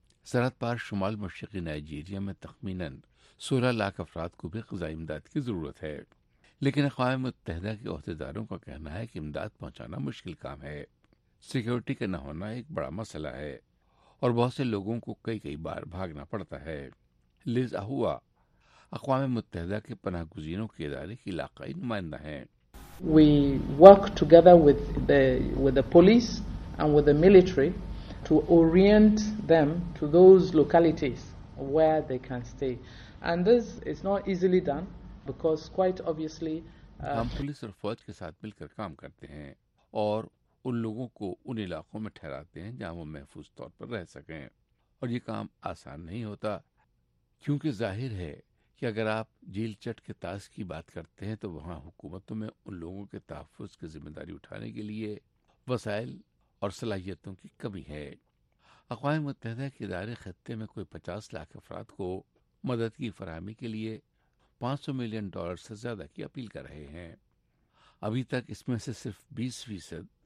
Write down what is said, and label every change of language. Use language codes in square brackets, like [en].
[ur] سرحد پار شمال مشرقی نائجیریا میں تخمیناً 16 لاکھ افراد کو بھی غذائی امداد کی ضرورت ہے، لیکن اقوام متحدہ کے عہدیداروں کا کہنا ہے کہ امداد پہنچانا مشکل کام ہے۔ سیکیورٹی کا نہ ہونا ایک بڑا مسئلہ ہے اور بہت سے لوگوں کو کئی بار بھاگنا پڑتا ہے۔ لیز اہوا اقوام متحدہ کے پناہ گزینوں کے ادارے کی علاقائی نمائندہ ہیں۔ [en] We work together with the police and with the military to orient them to those localities where they can stay. And this is not easily done. [ur] ہم پولیس اور فوج کے ساتھ مل کر کام کرتے ہیں اور ان لوگوں کو ان علاقوں میں ٹھہراتے ہیں جہاں وہ محفوظ طور پر رہ سکیں، اور یہ کام آسان نہیں ہوتا کیونکہ ظاہر ہے کہ اگر آپ جھیل چٹ کے طاس کی بات کرتے ہیں تو وہاں حکومتوں میں ان لوگوں کے تحفظ کی ذمہ داری اٹھانے کے لیے وسائل اور صلاحیتوں کی کمی ہے۔ اقوام متحدہ کے ادارے خطے میں کوئی 50 لاکھ افراد کو مدد کی فراہمی کے لیے $500 ملین سے زیادہ کی اپیل کر رہے ہیں۔ ابھی تک اس میں سے صرف 20%